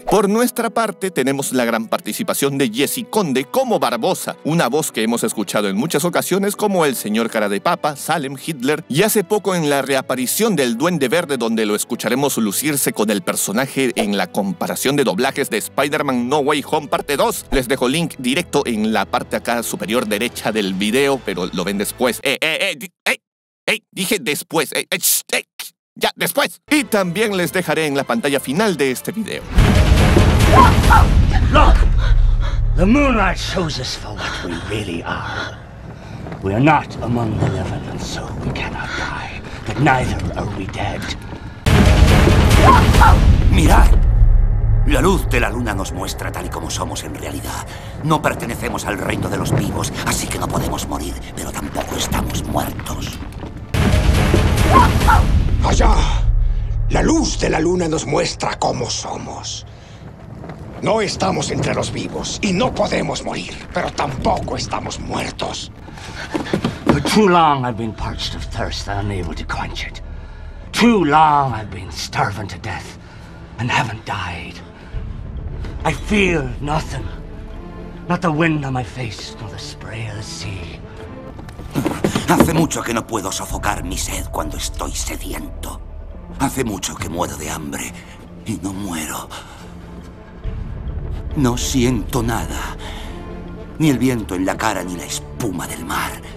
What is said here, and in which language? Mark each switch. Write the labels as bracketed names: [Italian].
[Spanish] Por nuestra parte, tenemos la gran participación de Jesse Conde como Barbosa, una voz que hemos escuchado en muchas ocasiones como el señor Cara de Papa, Salem, Hitler, y hace poco en la reaparición del Duende Verde, donde lo escucharemos lucirse con el personaje en la comparación de doblajes de Spider-Man No Way Home Parte 2. Les dejo link directo en la parte acá superior derecha del video, pero lo ven después. Dije después. Ya, después. Y también les dejaré en la pantalla final de este video. [English] Look, the moonlight shows us for what we really are. We are not among the living, and so we cannot die. But neither are we dead. [Spanish] Mirad. La luz de la luna nos muestra tal y como somos en realidad. No pertenecemos al reino de los vivos, así que no podemos morir, pero tampoco estamos muertos. ¡Allá! La luz de la luna nos muestra cómo somos. No estamos entre los vivos y no podemos morir, pero tampoco estamos muertos. [English] For too long I've been parched of thirst, unable to quench it. Too long I've been starving to death and haven't died. I feel nothing. Not the wind on my face, nor the spray of the sea. [Spanish] Hace mucho que no puedo sofocar mi sed cuando estoy sediento. Hace mucho que muero de hambre y no muero. No siento nada. Ni el viento en la cara ni la espuma del mar.